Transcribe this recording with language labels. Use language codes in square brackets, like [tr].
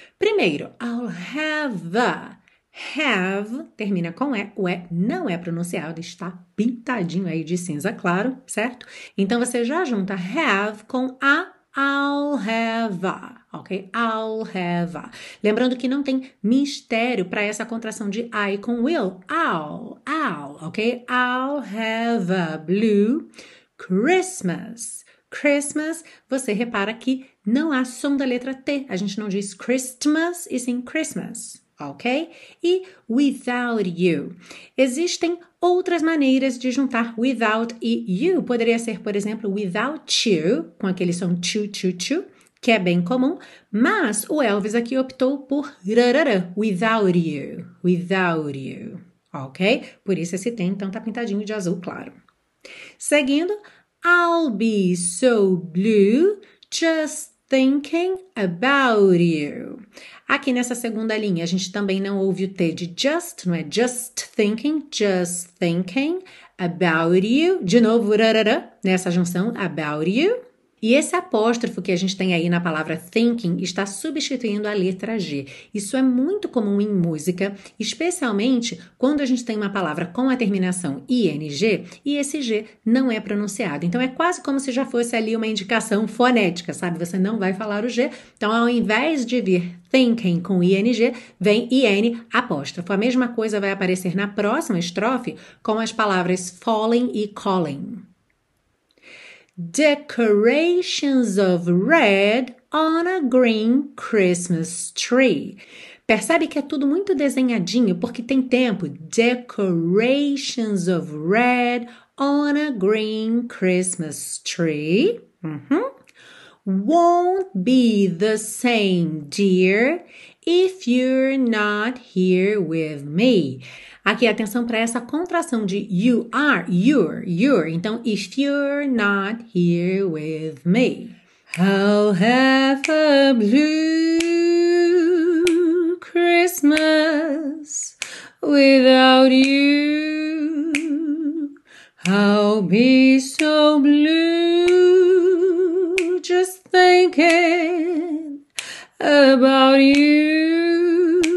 [pt] Primeiro, [en] I'll have a. [pt] Have termina com E, o E não é pronunciado, está pintadinho aí de cinza claro, certo? Então você já junta have com a, [en] I'll have a, [pt] ok? [en] I'll have a. [pt] Lembrando que não tem mistério para essa contração de I com will, I'll, ok? [en] I'll have a blue Christmas. [pt] Christmas, você repara que não há som da letra T, a gente não diz Christmas e sim Christmas. Ok? E [en] without you. [pt] Existem outras maneiras de juntar without e you. Poderia ser, por exemplo, [en] without you, [pt] com aquele som tchu-tchu-tchu, que é bem comum. Mas o Elvis aqui optou por rarara, [en] without you. Without you. [pt] Ok? Por isso esse tem, então, tá pintadinho de azul claro. Seguindo, [en] I'll be so blue just thinking about you. [pt] Aqui nessa segunda linha, a gente também não ouve o T de just, não é [en] just thinking about you. [pt] De novo, rarara, nessa junção, [en] about you. [pt] E esse apóstrofo que a gente tem aí na palavra thinking está substituindo a letra G. Isso é muito comum em música, especialmente quando a gente tem uma palavra com a terminação ing e esse G não é pronunciado. Então é quase como se já fosse ali uma indicação fonética, sabe? Você não vai falar o G. Então ao invés de vir thinking com ing, vem in apóstrofo. A mesma coisa vai aparecer na próxima estrofe com as palavras falling e calling. [en] Decorations of red on a green Christmas tree. [pt] Percebe que é tudo muito desenhadinho porque tem tempo. [en] Decorations of red on a green Christmas tree. Won't be the same, dear, if you're not here with me. [pt] Aqui, atenção para essa contração de [en] you are, [pt] you're. Então, [en] if you're not here with me. I'll have a blue Christmas without you. I'll be so blue just thinking about you.